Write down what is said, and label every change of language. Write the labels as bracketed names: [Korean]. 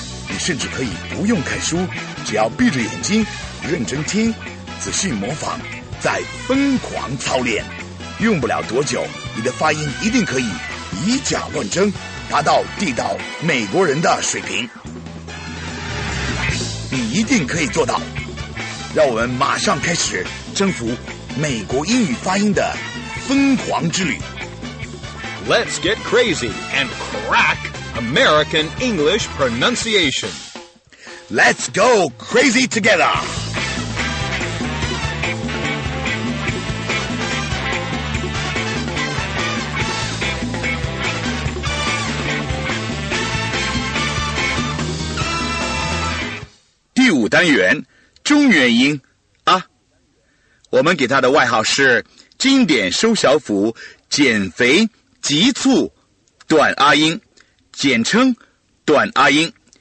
[Chinese] 你甚至可以不用看书只要闭着眼睛认真听仔细模仿再疯狂操练用不了多久你的发音一定可以以假乱真达到地道美国人的水平你一定可以做到让我们马上开始征服美国英语发音的疯狂之旅 [English] Let's get crazy and crack American English pronunciation Let's go crazy together [Chinese] 第五单元中原音啊我们给他的外号是经典收小腹减肥急促短啊音简称短啊音